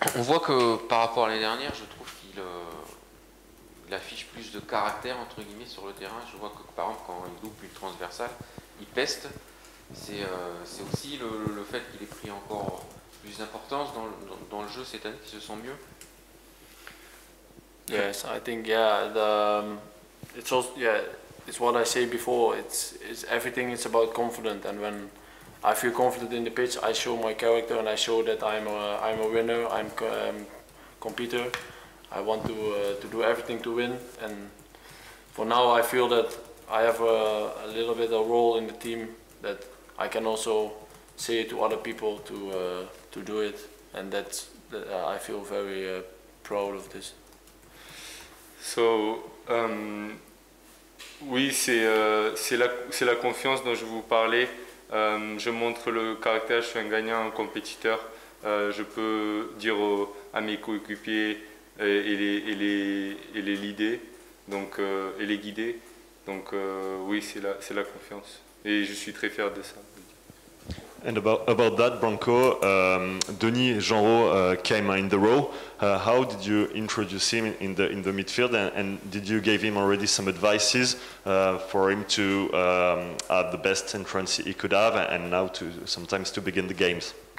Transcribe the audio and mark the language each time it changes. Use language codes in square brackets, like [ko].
[fr] On voit que par rapport à l'année dernière, je trouve qu'il il affiche plus de caractère entre guillemets sur le terrain. Je vois que par exemple quand il loupe une transversale, il peste. C'est aussi le fait qu'il ait pris encore plus d'importance dans le jeu cette année, qu'il se sent mieux. [en] Yes, I think it's also it's what I say before. It's everything is about confidence, and when I feel confident in the pitch, I show my character and I show that I'm a winner, I'm competitor. I want to do everything to win, and for now I feel that I have a little bit of a role in the team that I can also say to other people to do it, and that's I feel very proud of this. [fr] So, oui, c'est la confiance dont je vous parlais. Je montre le caractère, je suis un gagnant, un compétiteur. Je peux dire à mes coéquipiers et les leader, et les guider. Donc oui, c'est la confiance. Et je suis très fier de ça. [en] And about that, Branko, Denis Genreau came in the role. How did you introduce him in the midfield, and did you give him already some advices for him to have the best entrance he could have, and now to sometimes to begin the games?